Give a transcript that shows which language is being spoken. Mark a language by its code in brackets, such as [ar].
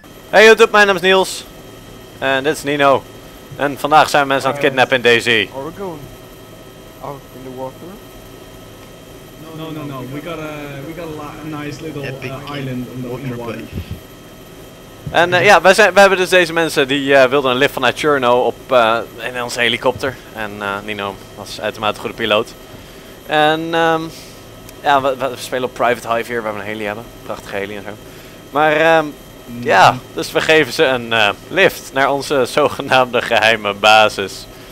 [nl] Hey YouTube, mijn naam is Niels. En dit is Nino. En vandaag zijn we mensen aan het kidnappen in DayZ. [en] Are we going out in the water? No. We got a nice little island in the water. [nl] En ja, we hebben dus deze mensen die wilden een lift vanuit Chorno op in onze helikopter. En Nino was uitermate goede piloot. En ja, we spelen op Private Hive hier, waar we een heli hebben. Prachtige heli en zo. Maar ja, dus we geven ze een lift naar onze zogenaamde geheime basis.